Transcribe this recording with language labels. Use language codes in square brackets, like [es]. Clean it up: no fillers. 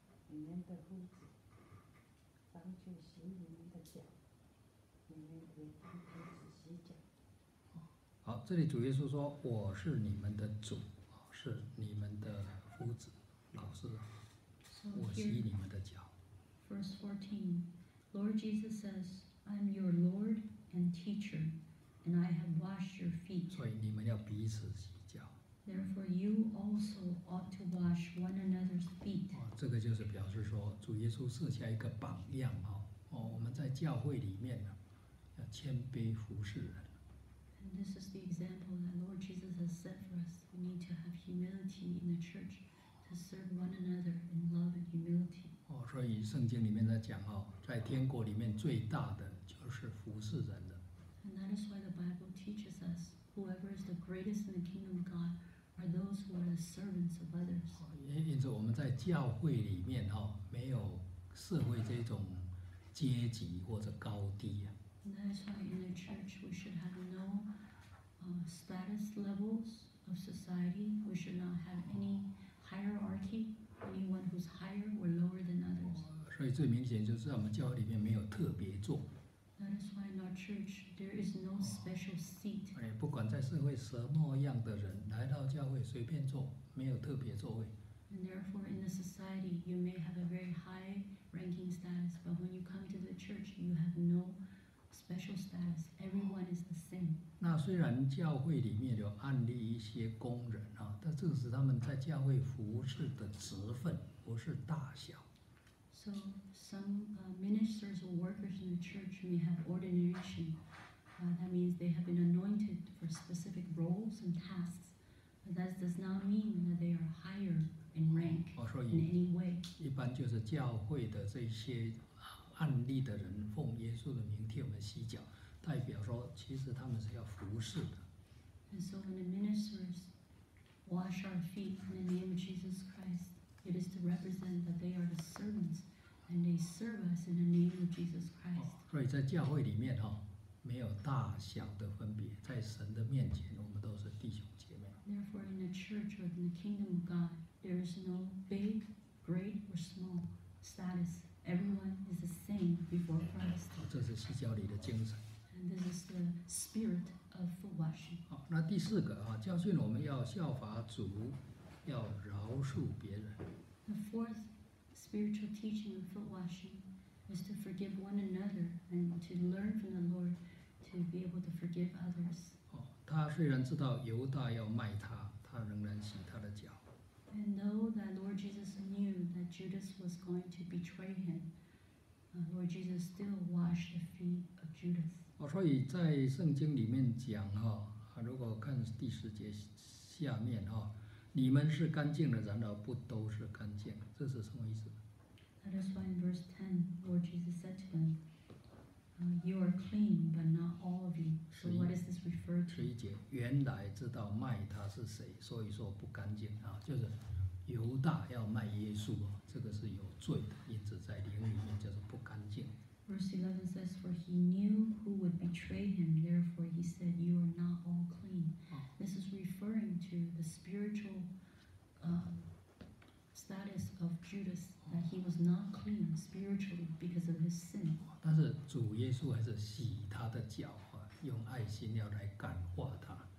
[zh] 你们的夫子，当去洗你们的脚，你们也当彼此洗脚。好，这里主耶稣说：“我是你们的主，是你们的夫子，老师，我洗你们的脚。” [en] Verse 14, Lord Jesus says, "I'm your Lord and teacher, and I have washed your feet." [zh] 所以你们要彼此洗脚。 [en] Therefore, you also ought to wash one another's feet. [zh] 这个就是表示说，主耶稣设下一个榜样哈。我们在教会里面呢，要谦卑服侍人。 [en] And this is the example that Lord Jesus has set for us. We need to have humility in the church to serve one another in love and humility. [zh] 所以圣经里面在讲哈，在天国里面最大的就是服侍人的。 [en] And that is why the Bible teaches us. Whoever is the greatest in the kingdom of God are those who are the servants of others. [zh] 因此我们在教会里面没有社会这种阶级或者高低。 [en] And that's why in the church we should have no status levels of society. We should not have any hierarchy, anyone who's higher or lower than others. [zh] 所以最明显就是我们教会里面没有特别座。 [en] That is why in our church there is no special seat. [zh] 不管在社会什么样的人来到教会，随便坐，没有特别座位。 [en] And therefore, in the society, you may have a very high ranking status, but when you come to the church, you have no special status. Everyone is the same. [zh] 那虽然教会里面有案例一些工人啊，但这是他们在教会服侍的职分，不是大小。 [en] So some ministers or workers in the church may have ordination. That means they have been anointed for specific roles and tasks. But that does not mean that they are higher in rank in any way. [zh] 一般就是教会的这些案例的人奉耶稣的名替我们洗脚，代表说其实他们是要服侍的。 [en] And so when the ministers wash our feet in the name of Jesus Christ,It is to represent that they are the servants, and they serve us in the name of Jesus Christ. [zh] 所以在教会里面哈，没有大小的分别，在神的面前，我们都是弟兄姐妹。 [en] Therefore, in the church or in the kingdom of God, there is no big, great or small status. Everyone is the same before Christ. [zh] 这是洗脚礼的精神。 [en] And this is the spirit of foot washing. [zh] 好，那第四个哈，教训我们要效法主。要饶恕别人。 [en] The fourth spiritual teaching of foot washing is to forgive one another and to learn from the Lord to be able to forgive others. [zh] 他虽然知道犹大要卖他，他仍然洗他的脚。 [en] And though the Lord Jesus knew that Judas was going to betray him, Lord Jesus still washed the feet of Judas. [zh] 所以在圣经里面讲哈，如果看第十节下面哈。你们是干净的，然而不都是干净，这是什么意思？ [en] That is why in verse 10, Lord Jesus said to them, "You are clean, but not all of you." So what is this referred to? [zh] 十一节，原来知道卖他是谁，所以说不干净啊，就是犹大要卖耶稣啊，这个是有罪的，因此在灵里面叫做不干净。 [en] Verse 11 says, "For he knew who would betray him; therefore, he said, 'You are not all clean.'" This is referring to the spiritual status of Judas, that he was not clean spiritually because of his sin. [zh] 但是主耶稣还是洗他的脚啊，用爱心要来感化他。